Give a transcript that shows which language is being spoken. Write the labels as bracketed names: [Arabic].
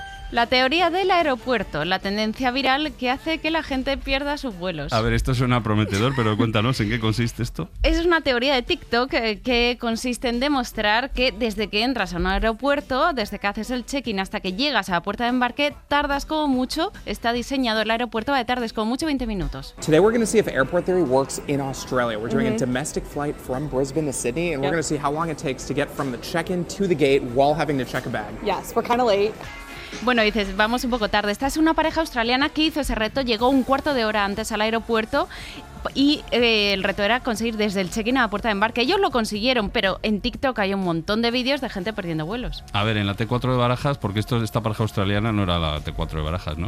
[Spanish] La teoría del aeropuerto, la tendencia viral que hace que la gente pierda sus vuelos. A ver, esto suena prometedor, pero cuéntanos, ¿en qué consiste esto? Es una teoría de TikTok que consiste en demostrar que desde que entras a un aeropuerto, desde que haces el check-in hasta que llegas a la puerta de embarque, tardas como mucho, está diseñado el aeropuerto, va de tardes como mucho 20 minutos. [English] Today we're going to see if airport theory works in Australia. We're doing a domestic flight from Brisbane to Sydney, and we're going to see how long it takes to get from the check-in to the gate while having to check a bag. Yes, we're kind of late. [Spanish] Bueno, dices, vamos un poco tarde. Esta es una pareja australiana que hizo ese reto, llegó un cuarto de hora antes al aeropuerto y el reto era conseguir desde el check-in a la puerta de embarque. Ellos lo consiguieron, pero en TikTok hay un montón de vídeos de gente perdiendo vuelos. A ver, en la T4 de Barajas, porque esta pareja australiana no era la T4 de Barajas, ¿no?